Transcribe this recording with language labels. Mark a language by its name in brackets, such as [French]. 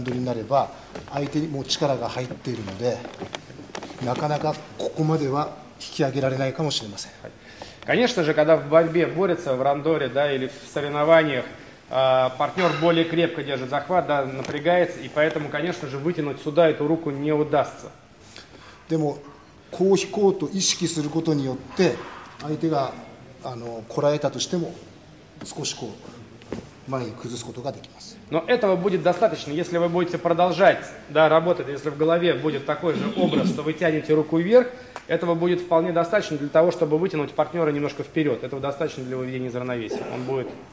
[Japanese] もちろん実際に試合とかランドになれば相手にも力が入っているので なかなかここまでは引き上げられないかもしれません。 [Russian] Конечно же, когда в борьбе борется в рандоре, да, или в соревнованиях, партнер более крепко держит захват, да, напрягается, и поэтому, конечно же, вытянуть сюда эту руку не удастся. [Japanese] でもこう引こうと意識することによって相手があのこらえたとしても少しこう前に崩すことができます。 [Russian] Но этого будет достаточно, если вы будете продолжать, да, работать, если в голове будет такой же образ, что вы тянете руку вверх, этого будет вполне достаточно для того, чтобы вытянуть партнера немножко вперед. Этого достаточно для выведения из равновесия. Он будет...